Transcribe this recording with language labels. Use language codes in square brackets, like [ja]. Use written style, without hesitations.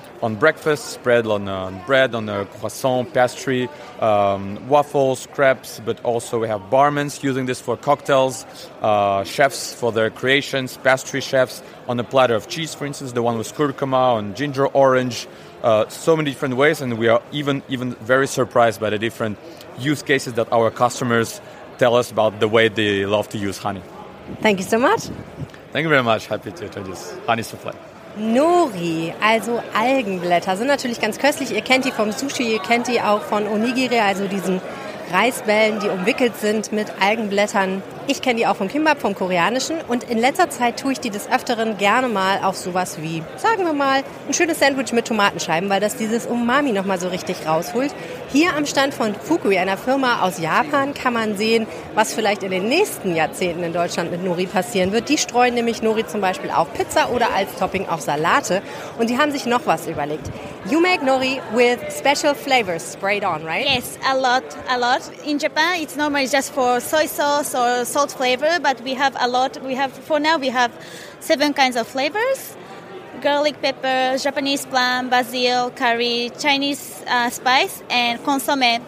[en] On breakfast, spread on bread, on a croissant, pastry, waffles, crepes, but also we have barmans using this for cocktails, chefs for their creations, pastry chefs, on a platter of cheese, for instance, the one with curcuma and ginger orange, so many different ways, and we are even very surprised by the different use cases that our customers tell us about the way they love to use honey. Thank you so much. Thank you very much. Happy to introduce Honey Soufflé. [de] Nori, also Algenblätter, sind natürlich ganz köstlich. Ihr kennt die vom Sushi, ihr kennt die auch von Onigiri, also diesen Reisbällen, die umwickelt sind mit Algenblättern. Ich kenne die auch vom Kimbap, vom Koreanischen. Und in letzter Zeit tue ich die des Öfteren gerne mal auf sowas wie, sagen wir mal, ein schönes Sandwich mit Tomatenscheiben, weil das dieses Umami nochmal so richtig rausholt. Hier am Stand von Fukui, einer Firma aus Japan, kann man sehen, was vielleicht in den nächsten Jahrzehnten in Deutschland mit Nori passieren wird. Die streuen nämlich Nori zum Beispiel auf Pizza oder als Topping auf Salate. Und die haben sich noch was überlegt. [en] You make Nori with special flavors sprayed on, right? Yes, a lot. In Japan, it's normally just for soy sauce or salt flavor, but we have a lot. We have 7 kinds of flavors. Garlic pepper, Japanese plum, basil, curry, Chinese spice, and consomme.